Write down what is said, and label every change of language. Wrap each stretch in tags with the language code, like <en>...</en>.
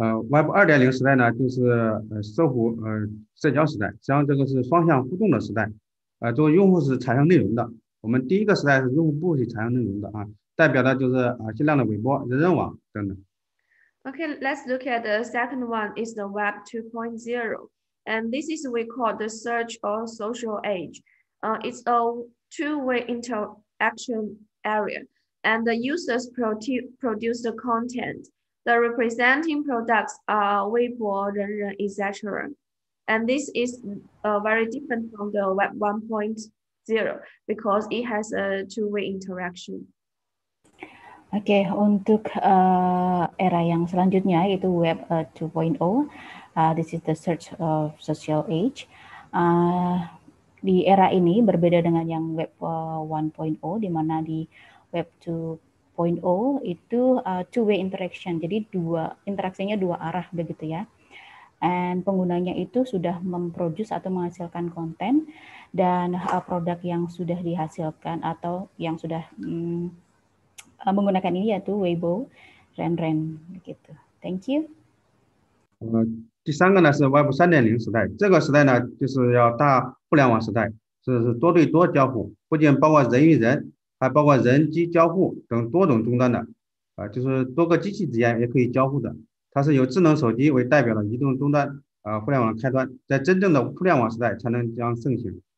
<zh>Web 2.0 时代呢，就是社交时代，实际上这个是双向互动的时代。作为用户是产生内容的，我们第一个时代是用户不会产生内容的啊。代表的就是新浪的微博、人人网等等。</zh> <en>Okay, let's look at the second one is the Web 2.0. And this is what we call the search or social age. It's a two-way interaction area. And the users produce the content. The representing products are Weibo, Renren, etc. And this is very different from the Web 1.0 because it has a two-way interaction.</en> <id>Oke, untuk era yang selanjutnya yaitu web 2.0,</id> <en>this is the search of social age.</en> <id>Di era ini berbeda dengan yang web 1.0, di mana di web 2.0 itu</id> <en>two-way interaction,</en> <id>jadi dua interaksinya dua arah begitu ya. And penggunanya itu sudah memproduce atau menghasilkan konten dan produk yang sudah dihasilkan atau yang sudah menggunakan ini yaitu Weibo, Renren, begitu.</id> <en>Thank you.</en> <zh>第三个呢是 Web 3.0 时代，这个时代呢就是要大互联网时代，是多对多交互，不仅包括人与人，还包括人机交互等多种终端的，就是多个机器之间也可以交互的。它是由智能手机为代表的移动终端，互联网的开端，在真正的互联网时代才能将盛行。</zh>